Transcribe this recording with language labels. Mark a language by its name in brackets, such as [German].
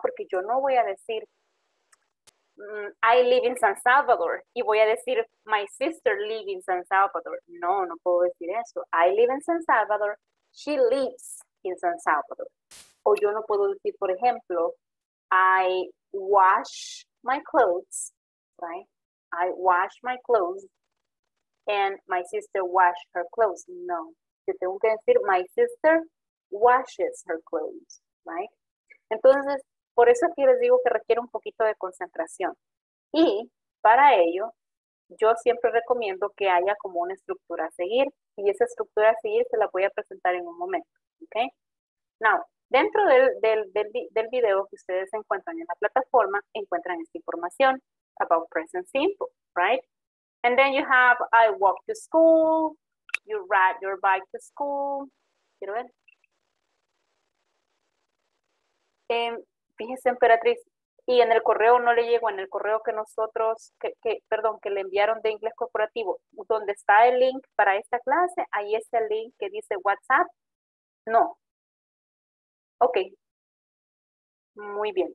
[Spanish] Porque yo no voy a decir, [English] I live in San Salvador. [Spanish] Y voy a decir, [English] my sister lives in San Salvador. [Spanish] No, no puedo decir eso. [English] I live in San Salvador. She lives in San Salvador. [Spanish] O yo no puedo decir, por ejemplo, [English] I wash my clothes, right? I wash my clothes and my sister wash her clothes. [Spanish] No. Yo tengo que decir, [English] my sister washes her clothes, right? [Spanish] Entonces, por eso aquí les digo que requiere un poquito de concentración. Y para ello, yo siempre recomiendo que haya como una estructura a seguir. Y esa estructura así se la voy a presentar en un momento, ¿ok? Now, dentro del video que ustedes encuentran en la plataforma, encuentran esta información [English] about present simple, right? And then you have, I walk to school, you ride your bike to school. [Spanish] Quiero ver. Fíjese, Emperatriz, y en el correo no le llegó, en el correo que nosotros, que le enviaron de inglés corporativo, donde está el link para esta clase, ahí está el link que dice WhatsApp. No. Ok. Muy bien.